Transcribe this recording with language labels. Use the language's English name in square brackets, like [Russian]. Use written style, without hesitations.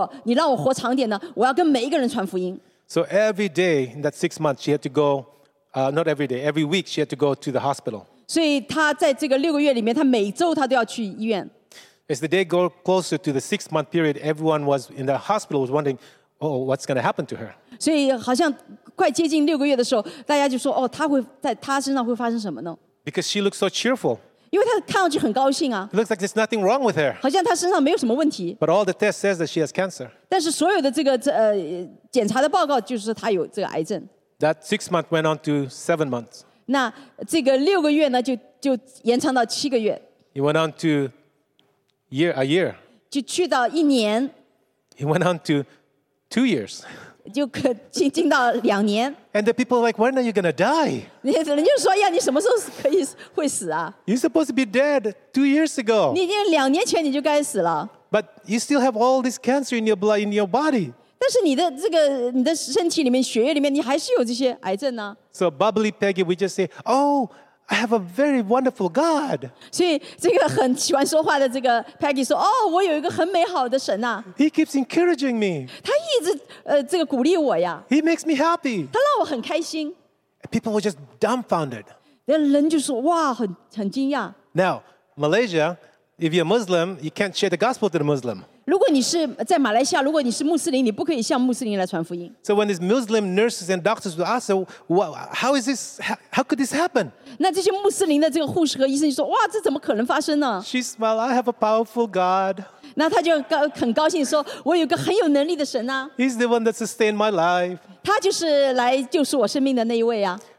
[Chinese] 他就跟神有一个这样的一个说法，就是他说，如果你让我活长点呢，我要跟每一个人传福音。 [English] So every day in that 6 months, she had to go, not every day, every week she had to go to the hospital. [Chinese] 所以他在这个六个月里面，他每周他都要去医院。 [English] As the day go closer to the 6 month period, everyone was in the hospital was wondering, oh, what's going to happen to her? [Chinese] 所以好像快接近六个月的时候，大家就说，哦，她会在她身上会发生什么呢？ [English] Because she looks so cheerful. [Chinese] 因为她看上去很高兴啊, [English] it looks like there's nothing wrong with her. [Chinese] 好像她身上没有什么问题。 [English] But all the tests says that she has cancer. [Chinese] 但是所有的这个, 检查的报告就是她有这个癌症。 [English] That 6 months went on to 7 months. [Chinese] 那这个六个月呢, 就延长到七个月。 [English] It went on to a year. [Chinese] 就去到一年。 [English] It went on to 2 years. [Chinese] 就进到两年。 [English] And the people are like, when are you going to die? [Chinese] 人家说,你什么时候会死啊? [English] You're supposed to be dead 2 years ago. [Chinese] 你已经两年前你就该死了。But [English] you still have all this cancer in your blood, in your body. [Chinese] 但是你的身体里面,血液里面,你还是有这些癌症啊。 [English] So bubbly Peggy, we just say, oh, I have a very wonderful God. [Chinese] 所以这个很喜欢说话的这个Peggy说,哦,我有一个很美好的神啊。 [English] He keeps encouraging me. [Chinese] 他一直鼓励我呀。 [English] He makes me happy. [Chinese] 他让我很开心。 [English] People were just dumbfounded. [Chinese] 人就说,哇,很惊讶。 [English] Now, Malaysia, if you're Muslim, you can't share the gospel to the Muslim. [Chinese] 如果你是在马来西亚，如果你是穆斯林，你不可以向穆斯林来传福音。 [English] So when these Muslim nurses and doctors would ask, how is this? How could this happen? [Chinese] 那这些穆斯林的这个护士和医生就说，哇，这怎么可能发生呢？ [English] She smiled. I have a powerful God. [Chinese] 那他就很高兴说，我有个很有能力的神啊。 [English] He's the one that sustained my life. [Chinese] 他就是来救赎我生命的那一位啊。